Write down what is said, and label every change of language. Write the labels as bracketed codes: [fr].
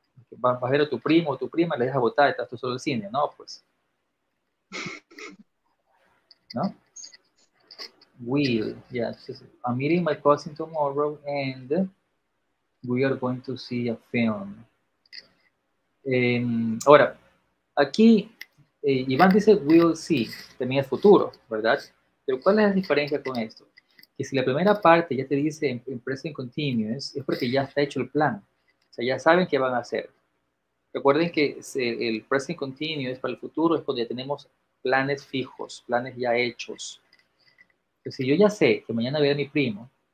[es] Vas a ver a tu primo o tu prima, le dejas botar, estás tú solo en cine, ¿no? Pues. ¿No? [en] I'm meeting my cousin tomorrow and we are going to see a film. [es] Ahora, aquí... Iván dice will see, también es futuro, ¿verdad? Pero ¿cuál es la diferencia con esto? Que si la primera parte ya te dice in present continuous, es porque ya está hecho el plan. O sea, ya saben qué van a hacer. Recuerden que el present continuous para el futuro es cuando ya tenemos planes fijos, planes ya hechos. Pero si yo ya sé que mañana voy a ver a mi primo,